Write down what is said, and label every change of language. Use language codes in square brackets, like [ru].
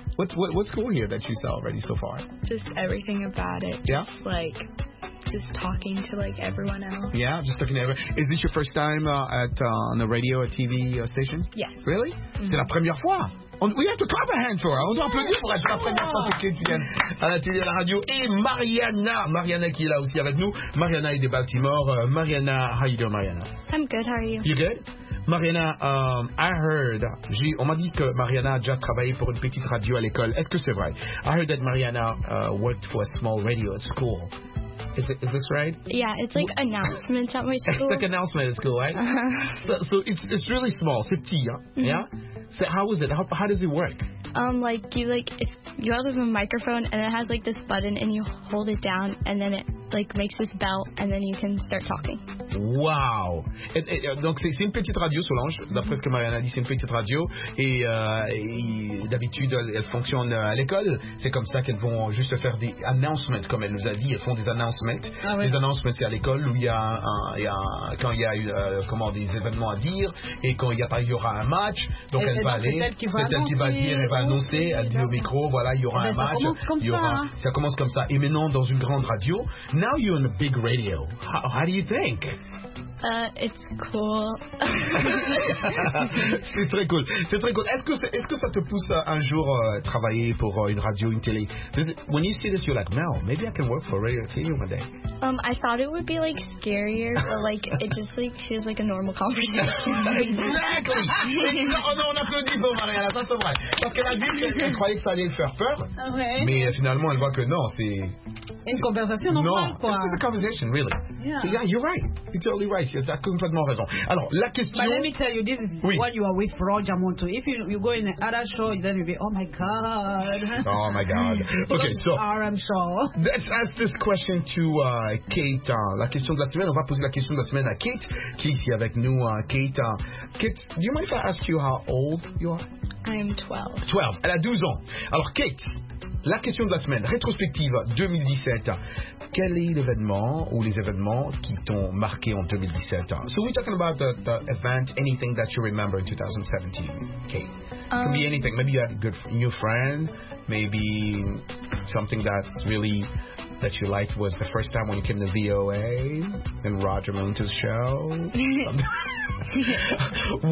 [en] What's cool here that you saw already so far? Just everything about it. Yeah? Like, just talking to, like, everyone else. Yeah, just talking to everyone. Is this your first time on a radio or TV station? Yes. Really? Mm-hmm. [fr] C'est la première fois. [en] We have to clap a hand for her. [fr] On doit applaudir pour la première fois que tu viens à la télé, à la radio. Et Mariana. Mariana qui est là aussi avec nous. Mariana est de Baltimore. [en] Mariana, how you doing, Mariana? I'm good, how are you? You good? [fr] Mariana, on m'a dit que Mariana a déjà travaillé pour une petite radio à l'école. Est-ce que c'est vrai? [en] I heard that Mariana worked for a small radio at school. Is this right? Yeah, it's like announcements at my school. It's like announcements at school, right? So it's really small. [fr] C'est petit, hein? [en] Mm-hmm. Yeah? So how is it? How does it work? You also have a microphone and it has like this button and you hold it down and then it like makes this bell and then you can start talking. Wow. [fr] Donc c'est une petite radio Solange, d'après ce que Mariana dit, c'est une petite radio et d'habitude elle fonctionne à l'école. C'est comme ça qu'elles vont juste faire des announcements comme elle nous a dit, elles font des announcements. Ah, oui. Des announcements c'est à l'école où il y a des événements à dire et quand il y aura un match, donc elle va annoncer, elle dit au micro, voilà, il y aura un match. Ça commence comme ça. Et maintenant, dans une grande radio, [en] now you're in a big radio. How do you think? It's cool. [fr] C'est très cool. C'est très cool. Est-ce que ça te pousse à un jour travailler pour une radio, une télé? [en] When you see this, you're like, no, maybe I can work for a radio TV one day. I thought it would be like scarier, but like it just like feels like a normal conversation. [fr] Exactly. On applaudit pour Mariana, ça c'est vrai. Parce qu'elle a dit qu'elle croyait que ça allait lui faire peur. [en] Okay. [fr] Mais finalement, elle voit que non, c'est une conversation normale, quoi. [en] It's a conversation, really. Yeah. So yeah, you're right. You're totally right. You have [fr] complètement raison. Alors, la question... [en] But let me tell you, this is what you are with Roger Montu. If you go in another show, then you'll be, oh my God. Oh my God. Okay, so... RM show. Let's ask this question to Kate. [fr] La question de la semaine. On va poser la question de la semaine à Kate, qui est ici avec nous. [en] Kate, do you mind if I ask you how old you are? I am 12. [fr] 12. Elle a 12 ans. Alors, Kate... La question de la semaine, rétrospective 2017. Quel est l'événement ou les événements qui t'ont marqué en 2017? [en] So we're talking about the event, anything that you remember in 2017, Kate. It can be anything. Maybe you had a good new friend. Maybe something that's really, that you liked was the first time when you came to VOA and Roger Moon's show.